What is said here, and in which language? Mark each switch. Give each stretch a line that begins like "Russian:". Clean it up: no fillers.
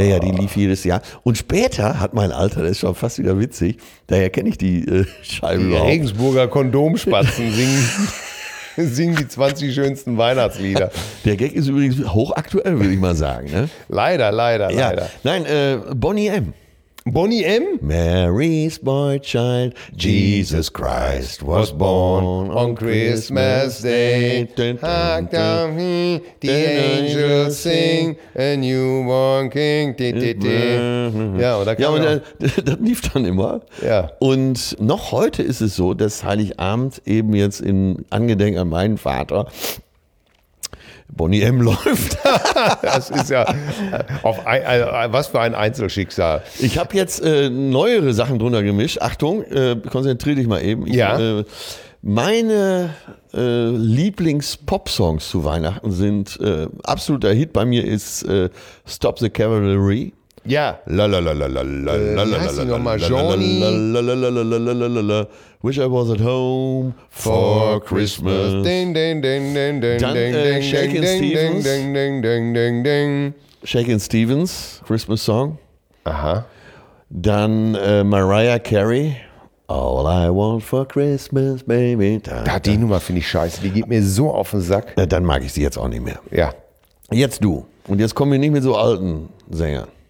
German: Ja, die lief jedes Jahr. Und später hat mein Alter, das ist schon fast wieder witzig, daher kenne ich die Scheibe überhaupt. Die Regensburger Kondomspatzen singen die 20 schönsten Weihnachtslieder. Der Gag ist übrigens hochaktuell, würde ich mal sagen. Ne? Leider, leider, ja. Leider. Nein, Bonnie M. Bonnie M?
English: Mary's boy child, Jesus Christ was born on Christmas Day. Hark down, the angels sing, a newborn king.
German: Ja, oder? Ja, und das lief dann immer. Ja. Und noch heute ist es so, dass Heiligabend eben jetzt in Angedenk an meinen Vater Bonnie M. läuft. Das ist ja, auf ein, also was für ein Einzelschicksal. Ich habe jetzt neuere Sachen drunter gemischt. Achtung, konzentriere dich mal eben. Ja. Meine Lieblings-Pop-Songs zu Weihnachten sind, absoluter Hit bei mir ist Stop the Cavalry. Ja. La la la la la la la la la la la la la la la la la la la la.
English: Wish I was at home for Christmas. Ding ding ding ding ding ding ding ding ding ding ding ding ding. Shakin' Stevens Christmas song.
German: Aha. Dann Mariah Carey.
English: All I want for Christmas, baby.
German: Da die Nummer finde ich scheiße. Die geht mir so auf den Sack. Dann mag ich sie jetzt auch nicht mehr. Ja. Jetzt du. Und jetzt kommen wir nicht mit so alten Sängern.